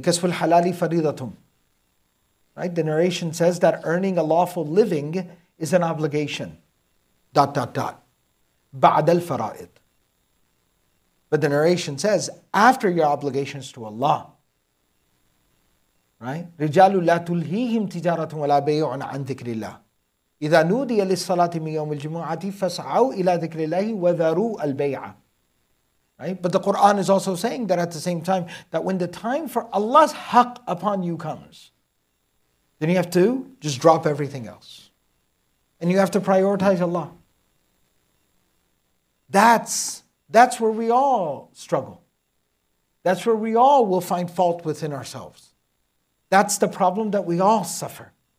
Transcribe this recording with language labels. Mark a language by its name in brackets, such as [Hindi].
[Arabic] Kasbul halali faridatum. [English] Right? The narration says that earning a lawful living is an obligation. [Arabic] ... بعد الفرائض. [English] But the narration says, after your obligations to Allah, right? [Arabic] رجال لا تلهيهم تجارة ولا بيع عن ذكر الله إذا نودي للصلاة من يوم الجمعة فسعوا إلى ذكر الله وذروا البيع. [English] Right? But the Quran is also saying that at the same time, that when the time for Allah's haqq upon you comes, then you have to just drop everything else. And you have to prioritize Allah. That's where we all struggle. That's where we all will find fault within ourselves. That's the problem that we all suffer.